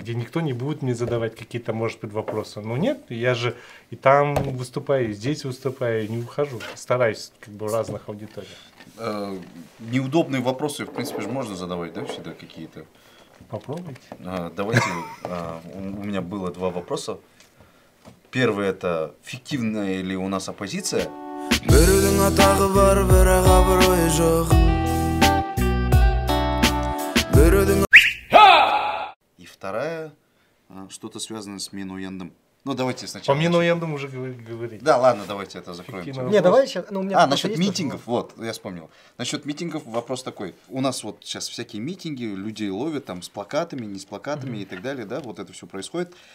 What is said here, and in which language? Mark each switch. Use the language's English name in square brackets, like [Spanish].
[Russian] где никто не будет мне задавать какие-то, может быть, вопросы. Но нет, я же и там выступаю, и здесь выступаю, и не ухожу. Стараюсь как бы в разных аудиториях. Неудобные вопросы, в принципе, же можно задавать, да, всегда какие-то? Попробуйте. Давайте, у меня было два вопроса. Первый это фиктивная ли у нас оппозиция? [Kazakh] Бірудің атағы бар, бірақ абыройы жоқ. [Russian] И вторая, что-то связанное с Минуэндом. Ну давайте сначала. По Минуэндам уже говорить. Да, ладно, давайте это закроем. Не, давай сейчас. Ну, у меня насчет митингов, вот, я вспомнил. Насчет митингов вопрос такой. У нас вот сейчас всякие митинги, людей ловят там с плакатами, не с плакатами mm-hmm. и так далее, да, вот это все происходит.